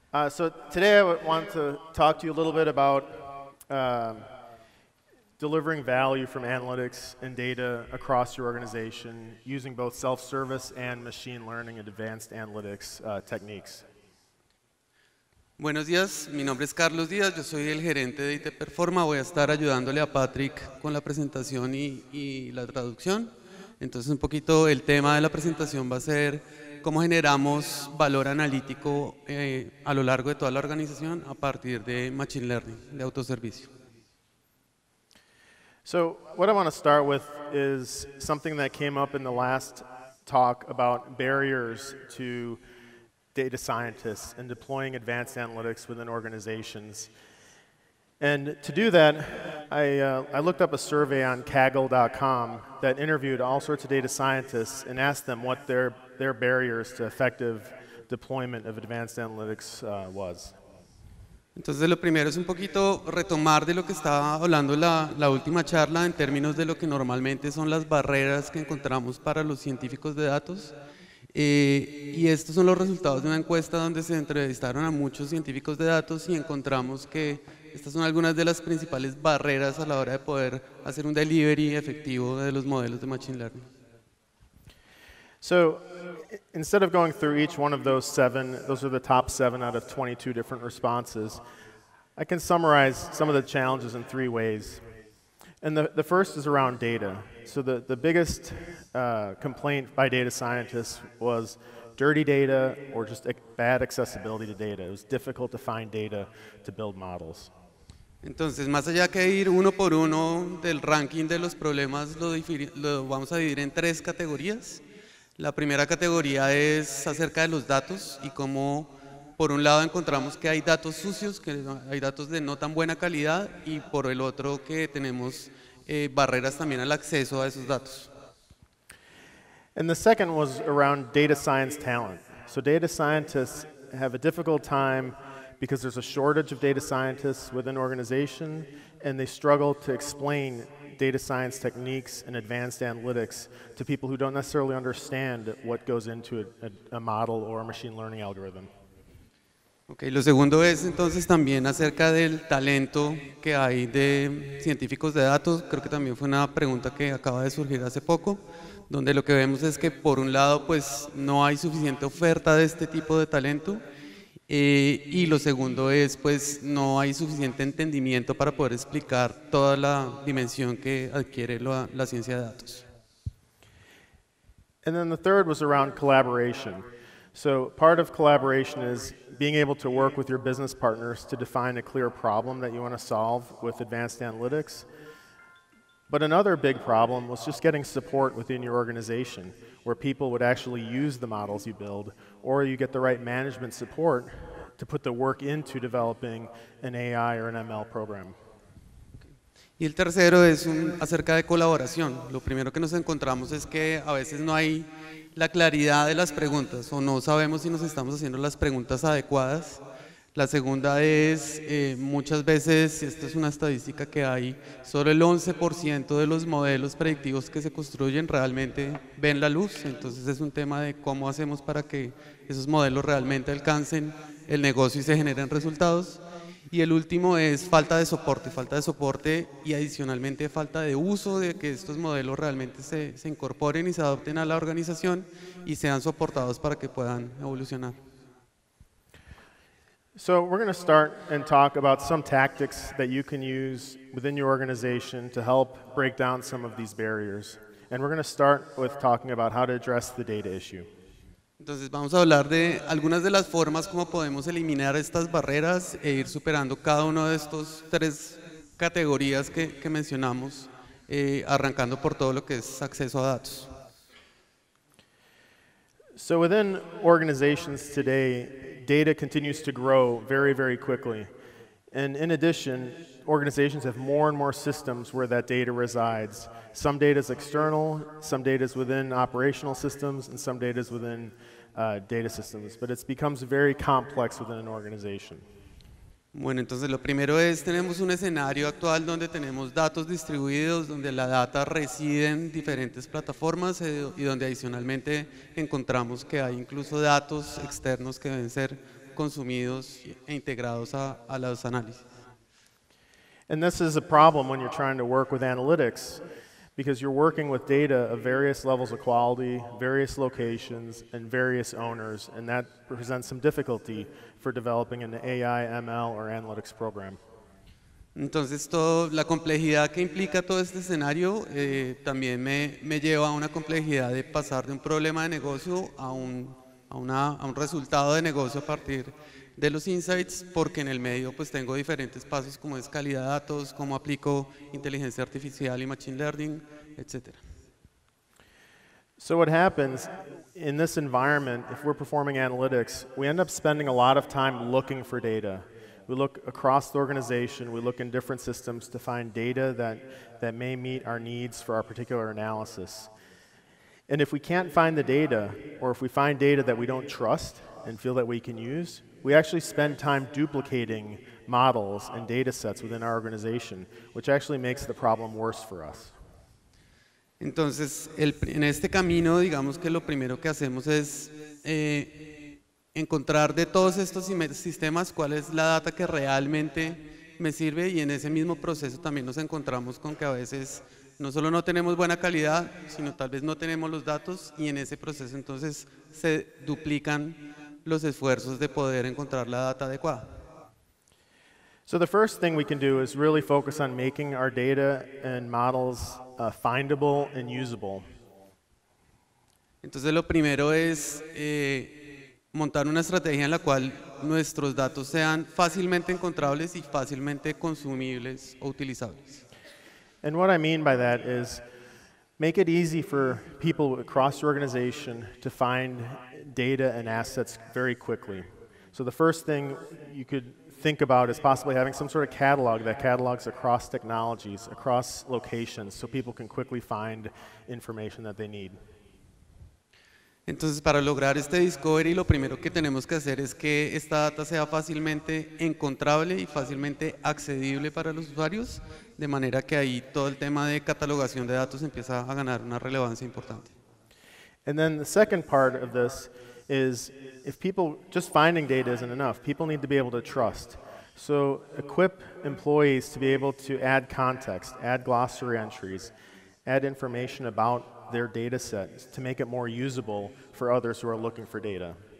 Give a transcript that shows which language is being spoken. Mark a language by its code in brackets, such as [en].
[en] So today I want to talk to you a little bit about delivering value from analytics and data across your organization using both self-service and machine learning and advanced analytics techniques. [es] Buenos días, mi nombre es Carlos Díaz, yo soy el gerente de IT Performa, voy a estar ayudándole a Patrick con la presentación y la traducción. Entonces, un poquito el tema de la presentación va a ser cómo generamos valor analítico a lo largo de toda la organización a partir de machine learning, de autoservicio. [en] So, what I want to start with is something that came up in the last talk about barriers to data scientists and deploying advanced analytics within organizations. And to do that, I looked up a survey on Kaggle.com that interviewed all sorts of data scientists and asked them what their barriers to effective deployment of advanced analytics was. [es] Entonces, lo primero es un poquito retomar de lo que estaba hablando la última charla en términos de lo que normalmente son las barreras que encontramos para los científicos de datos. Y estos son los resultados de una encuesta donde se entrevistaron a muchos científicos de datos y encontramos que estas son algunas de las principales barreras a la hora de poder hacer un delivery efectivo de los modelos de machine learning. [en] So, instead of going through each one of those seven, those are the top seven out of 22 different responses, I can summarize some of the challenges in three ways. And the first is around data. So the biggest complaint by data scientists was dirty data or just bad accessibility to data. It was difficult to find data to build models. [es] Entonces, más allá que ir uno por uno del ranking de los problemas, lo vamos a dividir en tres categorías. La primera categoría es acerca de los datos y cómo, por un lado, encontramos que hay datos sucios, que hay datos de no tan buena calidad, y por el otro, que tenemos barreras también al acceso a esos datos. [en] And the second was around data science talent. So data scientists have a difficult time because there's a shortage of data scientists within organization, and they struggle to explain data science techniques and advanced analytics to people who don't necessarily understand what goes into a model or a machine learning algorithm. [es] Okay, lo segundo es entonces también acerca del talento que hay de científicos de datos. Creo que también fue una pregunta que acaba de surgir hace poco, donde lo que vemos es que por un lado pues no hay suficiente oferta de este tipo de talento. Y lo segundo es, pues, no hay suficiente entendimiento para poder explicar toda la dimensión que adquiere la ciencia de datos. [en] And then the third was around collaboration. So part of collaboration is being able to work with your business partners to define a clear problem that you want to solve with advanced analytics. But another big problem was just getting support within your organization, where people would actually use the models you build, or you get the right management support to put the work into developing an AI or an ML program. [es] Y el tercero es acerca de colaboración. Lo primero que nos encontramos es que a veces no hay la claridad de las preguntas, o no sabemos si nos estamos haciendo las preguntas adecuadas. La segunda es, muchas veces, y esta es una estadística que hay, solo el 11% de los modelos predictivos que se construyen realmente ven la luz. Entonces, es un tema de cómo hacemos para que esos modelos realmente alcancen el negocio y se generen resultados. Y el último es falta de soporte y adicionalmente falta de uso de que estos modelos realmente se incorporen y se adopten a la organización y sean soportados para que puedan evolucionar. [en] So we're going to start and talk about some tactics that you can use within your organization to help break down some of these barriers. And we're going to start with talking about how to address the data issue. [es] Entonces vamos a hablar de algunas de las formas como podemos eliminar estas barreras e ir superando cada uno de estos tres categorías que mencionamos, arrancando por todo lo que es acceso a datos. [en] So within organizations today, data continues to grow very, very quickly. And in addition, organizations have more and more systems where that data resides. Some data is external, some data is within operational systems, and some data is within data systems. But it becomes very complex within an organization. [es] Bueno, entonces lo primero es, tenemos un escenario actual donde tenemos datos distribuidos, donde la data reside en diferentes plataformas y donde adicionalmente encontramos que hay incluso datos externos que deben ser consumidos e integrados a los análisis. [en] And this is a problem when you're trying to work with analytics, because you're working with data of various levels of quality, various locations, and various owners, and that presents some difficulty for developing an AI, ML, or analytics program. [es] Entonces, toda la complejidad que implica todo este escenario también me lleva a una complejidad de pasar de un problema de negocio a un resultado de negocio a partir de los insights, porque en el medio pues tengo diferentes pasos, como es calidad de datos, cómo aplico inteligencia artificial y machine learning, etc. [en] So what happens in this environment, if we're performing analytics, we end up spending a lot of time looking for data. We look across the organization, we look in different systems to find data that may meet our needs for our particular analysis. And if we can't find the data, or if we find data that we don't trust and feel that we can use, we actually spend time duplicating models and data sets within our organization, which actually makes the problem worse for us. [es] Entonces, en este camino, digamos que lo primero que hacemos es encontrar de todos estos sistemas cuál es la data que realmente me sirve, y en ese mismo proceso también nos encontramos con que a veces no solo no tenemos buena calidad, sino tal vez no tenemos los datos, y en ese proceso entonces se duplican los esfuerzos de poder encontrar la data adecuada. [en] So the first thing we can do is really focus on making our data and models findable and usable. [es] Entonces lo primero es montar una estrategia en la cual nuestros datos sean fácilmente encontrables y fácilmente consumibles o utilizables. [en] And what I mean by that is make it easy for people across your organization to find data and assets very quickly. So the first thing you could think about is possibly having some sort of catalog that catalogs across technologies, across locations, so people can quickly find information that they need. [es] Entonces, para lograr este discovery, lo primero que tenemos que hacer es que esta data sea fácilmente encontrable y fácilmente accedible para los usuarios, de manera que ahí todo el tema de catalogación de datos empieza a ganar una relevancia importante. [en] And then the second part of this is, if people, just finding data isn't enough, people need to be able to trust. So equip employees to be able to add context, add glossary entries, add information about their data sets to make it more usable for others who are looking for data.